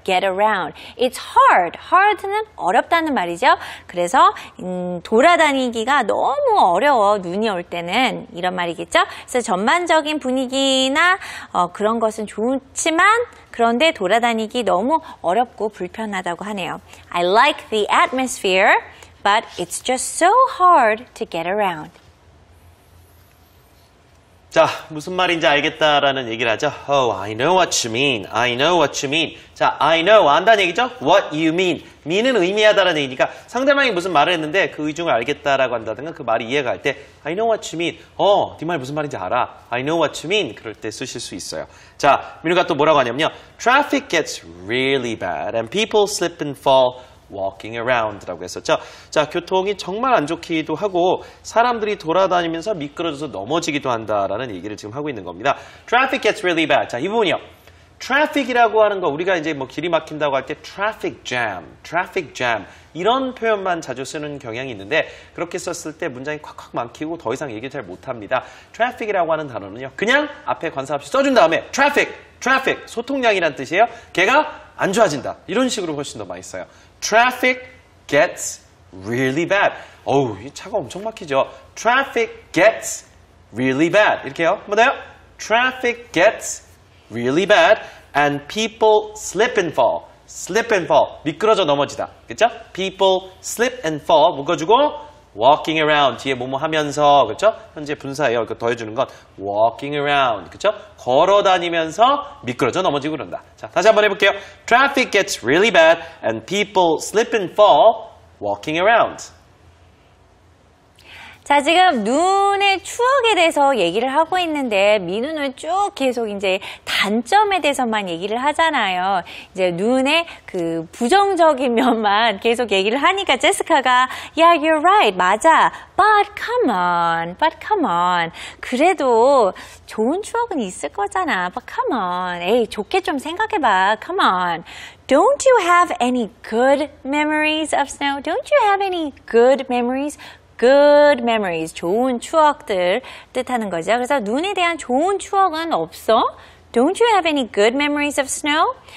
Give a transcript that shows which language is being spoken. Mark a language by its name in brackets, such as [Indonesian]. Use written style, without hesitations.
[English] Get around. It's hard. Hard는 [Korean] 어렵다는 말이죠. 그래서 돌아다니기가 너무 어려워. 눈이 올 때는 이런 말이겠죠. 그래서 전반적인 분위기나 그런 것은 좋지만 그런데 돌아다니기 너무 어렵고 불편하다고 하네요. [English] I like the atmosphere, but it's just so hard to get around. [Korean] 자, 무슨 말인지 알겠다라는 얘기를 하죠. [English] Oh, I know what you mean. I know what you mean. 자, I know, [Korean] 안다는 얘기죠. [English] What you mean. [Korean] mean은 의미하다라는 얘기니까 상대방이 무슨 말을 했는데 그 의중을 알겠다라고 한다든가 그 말이 이해가 갈 때 [English] I know what you mean. [Korean] 네 말 무슨 말인지 알아. [English] I know what you mean. [Korean] 그럴 때 쓰실 수 있어요. 자, 민우가 또 뭐라고 하냐면요. [English] Traffic gets really bad and people slip and fall walking around [Korean] 라고 했었죠. 자, 교통이 정말 안 좋기도 하고 사람들이 돌아다니면서 미끄러져서 넘어지기도 한다라는 얘기를 지금 하고 있는 겁니다. [English] Traffic gets really bad. [Korean] 자, 이 부분이요. Traffic이라고 하는 거 우리가 이제 뭐 길이 막힌다고 할 때 traffic jam, traffic jam 이런 표현만 자주 쓰는 경향이 있는데 그렇게 썼을 때 문장이 콱콱 막히고 더 이상 얘기를 잘 못합니다. Traffic이라고 하는 단어는요. 그냥 앞에 관사 없이 써준 다음에 traffic, traffic 소통량이란 뜻이에요. 걔가 안 좋아진다. 이런 식으로 훨씬 더 많이 써요. [English] Traffic gets really bad. [Korean] 어우, 이 차가 엄청 막히죠? [English] Traffic gets really bad. [Korean] 이렇게요. 뭐예요? [English] Traffic gets really bad and people slip and fall. Slip and fall. [Korean] 미끄러져 넘어지다. 그렇죠? [English] People slip and fall. [Korean] 묶어주고 [English] walking around. [Korean] 뒤에 뭐뭐 하면서. 그렇죠? 현재 분사예요. 이거 더해주는 건 [English] walking around. [Korean] 그렇죠? 걸어다니면서 미끄러져 넘어지고 그런다. 자, 다시 한번 해볼게요. [English] Traffic gets really bad and people slip and fall walking around. [Korean] 자, 지금 눈의 추억에 대해서 얘기를 하고 있는데 민우는 쭉 계속 이제 단점에 대해서만 얘기를 하잖아요. 이제 눈의 그 부정적인 면만 계속 얘기를 하니까 제스카가 [English] Yeah, you're right. [Korean] 맞아. [English] But come on. But come on. [Korean] 그래도 좋은 추억은 있을 거잖아. [English] But come on. [Korean] 에이, 좋게 좀 생각해봐. [English] Come on. Don't you have any good memories of snow? Don't you have any good memories? Good memories, [Korean] 좋은 추억들 뜻하는 거죠. 그래서 눈에 대한 좋은 추억은 없어? [English] Don't you have any good memories of snow?